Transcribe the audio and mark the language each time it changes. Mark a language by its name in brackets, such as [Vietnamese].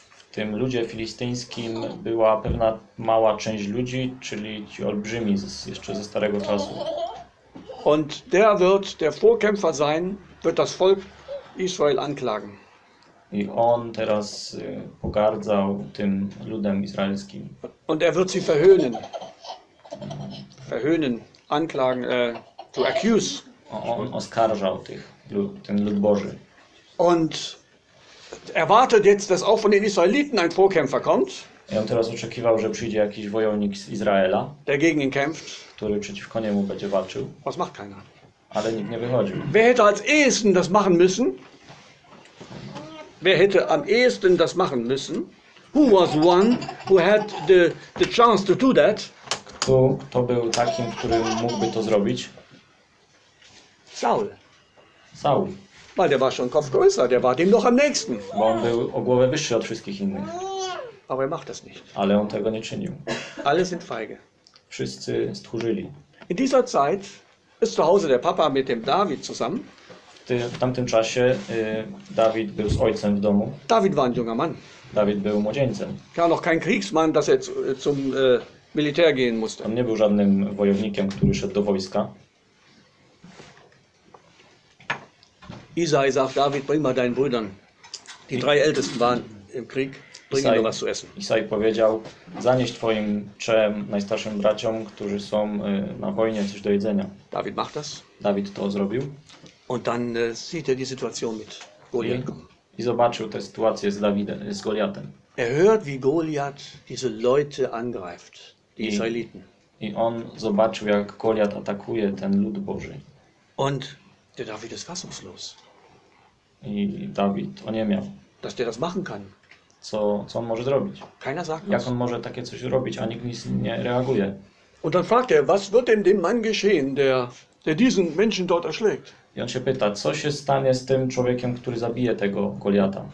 [Polish] W tym ludzie filistyńskim była pewna mała część ludzi, czyli ci olbrzymi jeszcze ze starego czasu. [German] Und der wird der Vorkämpfer sein, wird das Volk Israel anklagen. [Polish] I on teraz pogardzał tym ludem izraelskim. [German] Und er wird sie verhöhnen. Verhöhnen, anklagen, [English] to accuse. [Polish] On oskarżał tych, ten lud Boży. [German] Und erwartet jetzt, dass auch von den Israeliten ein Vorkämpfer kommt. [Polish] I on teraz oczekiwał, że przyjdzie jakiś wojownik z Izraela, [German] der gegen ihn kämpft, [Polish] który przeciwko niemu będzie walczył. [German] Was macht keiner. [Polish] Ale nikt nie wychodził. [German] Wer hätte als ehesten das machen müssen? Wer hätte am ehesten das machen müssen? [English] Who was one who had the chance to do that? [Polish] Kto był takim, który mógłby to zrobić? [German] Saul. [Polish] Saul. [German] Weil der war schon Kopf größer, der war dem noch am nächsten. [Polish] Bo on był o głowę wyższy od wszystkich innych. [German] Aber er macht das nicht. [Polish] Ale on tego nie czynił. [German] Alle sind feige. [Polish] Wszyscy stchórzyli. [German] In dieser Zeit ist zu Hause der Papa mit dem David zusammen. [Polish] W tamtym czasie David był z ojcem w domu. [German] David war ein junger Mann. [Polish] David był młodzieńcem. [German] Er war noch kein Kriegsmann, dass er zum Militär gehen musste. [Polish] On nie był żadnym wojownikiem, który szedł do wojska. [German] Isai sagt David, bring mal deinen Brüdern. Die drei Ältesten waren im Krieg. Bring mir was zu essen. [Polish] Isai powiedział, zanieś twoim trzem najstarszym braciom, którzy są na wojnie, coś do jedzenia. [German] David macht das. [Polish] David to zrobił. [German] Und dann sieht er die Situation mit Goliath. [Polish] I zobaczył tę sytuację z Dawidem, z Goliatem. [German] Er hört, wie Goliath diese Leute angreift, die Israeliten. [Polish] I on zobaczył, jak Goliath atakuje ten lud Boży. [German] Und der David ist fassungslos. [Polish] I David oniemiał. [German] Dass der das machen kann. [Polish] Co on może zrobić? [German] Keiner sagt [Polish] jak on może takie coś robić, a nikt nic nie reaguje. [German] Und dann fragt er, was wird denn dem Mann geschehen, der diesen Menschen dort erschlägt? [Polish] I on się pyta, co się stanie z tym człowiekiem, który zabije tego Goliata?